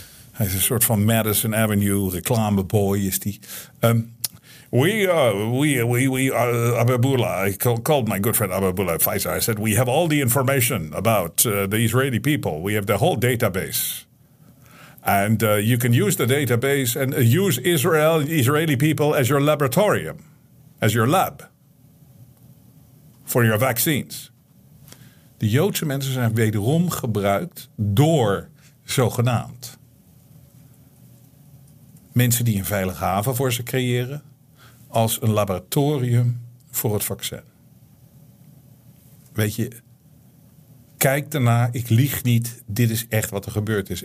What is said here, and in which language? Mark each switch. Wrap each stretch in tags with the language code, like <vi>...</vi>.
<nl>Hij is een soort van Madison Avenue reclameboy is die.</nl> <en>We Abu Bula, I called my good friend Abu Bula Pfizer. I said, we have all the information about the Israeli people. We have the whole database. And you can use the database and use Israel, Israeli people as your laboratorium, as your lab for your vaccines.</en> <nl>De Joodse mensen zijn wederom gebruikt door zogenaamd mensen die een veilige haven voor ze creëren. Als een laboratorium voor het vaccin. Weet je, kijk daarna, ik lieg niet, dit is echt wat er gebeurd is.</nl>